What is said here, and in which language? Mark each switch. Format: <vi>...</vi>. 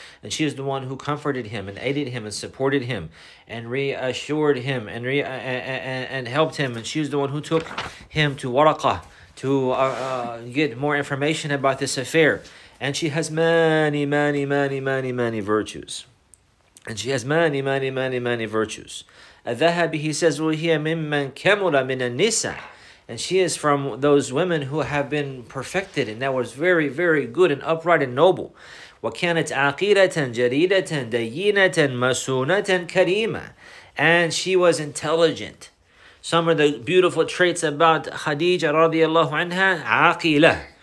<en>And she is the one who comforted him and aided him and supported him and reassured him and helped him. And she is the one who took him to Waraqah to get more information about this affair. And she has many virtues. And she has many virtues. Al-Dhahabi, he says,</en> <ar>وَهِيَ مِمَّنْ كَمُلَ مِنَ النِّسَىٰ.</ar> <en>And she is from those women who have been perfected, and that was very, very good and upright and noble.</en> <ar>وَكَانَتْ عَقِيلَةً جَرِيدَةً دَيِّنَةً مَسُونَةً كَرِيمَةً.</ar> <en>And she was intelligent. Some of the beautiful traits about Khadija radiallahu anha, عَقِيلَة.</en>